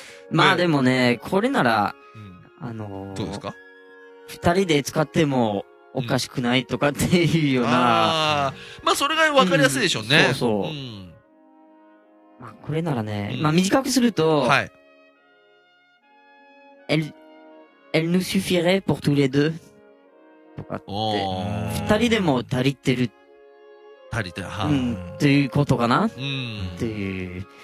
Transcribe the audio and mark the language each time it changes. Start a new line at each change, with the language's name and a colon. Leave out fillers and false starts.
Japanese: まあでもね、これなら、うん、どうですか二人で使っても、おかしくないとかっていうような。うん、まあ、それがわかりやすいでしょうね。うん、そうそう。うんまあ、これならね、うん、まあ、短くすると、はい。
French: elle nous suffirait pour tous les deux.
Japanese: とかって、二人でも足りてる。たりで、はうん、っていうことかな、うん、っていう。